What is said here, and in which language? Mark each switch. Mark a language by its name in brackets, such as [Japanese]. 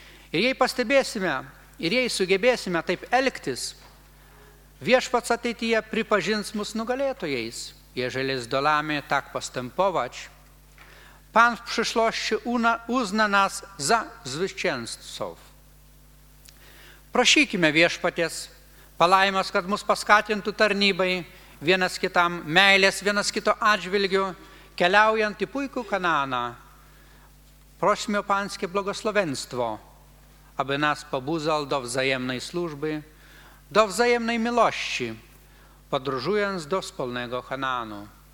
[Lithuanian] Ir jei pastebėsime, ir jei sugebėsime taip elgtis, Viešpats ateityje pripažins mus nugalėtojais. [Polish] Jeżeli zdolamy tak postępować, Pan w przyszłości uzna nas za zwycięzców. [Lithuanian] Prosikime Viešpaties palaimos, kad mus paskatintų tarnybai vienas kitam meilės, vienas kito atžvilgiu, keliaujant į puikų Kanaaną. [Polish] Prosime Panskie blagoslovenstvo, aby nas pobudzal do wzajemnej służby, do wzajemnej miłości, podróżując do wspólnego Kanaanu.